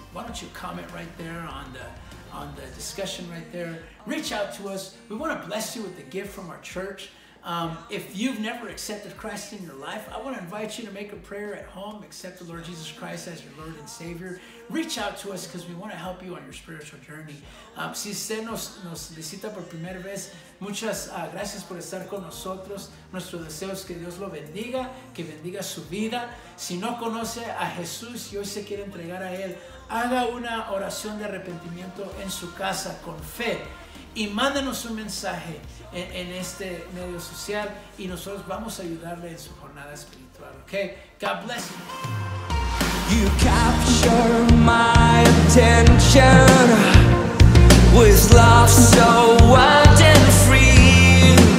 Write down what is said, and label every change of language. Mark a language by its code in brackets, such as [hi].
[en] And why don't you comment right there on the discussion right there. Reach out to us. We want to bless you with a gift from our church. If you've never accepted Christ in your life, I want to invite you to make a prayer at home. Accept the Lord Jesus Christ as your Lord and Savior. Reach out to us, because we want to help you on your spiritual journey. [es] Si usted nos visita por primera vez, muchas gracias por estar con nosotros. Nuestro deseo es que Dios lo bendiga, que bendiga su vida. Si no conoce a Jesús y hoy se quiere entregar a Él, haga una oración de arrepentimiento en su casa con fe. Y mándenos un mensaje en este medio social, y nosotros vamos a ayudarle en su jornada espiritual, ¿ok? [en] God bless you. You capture my attention, was lost so wild and free.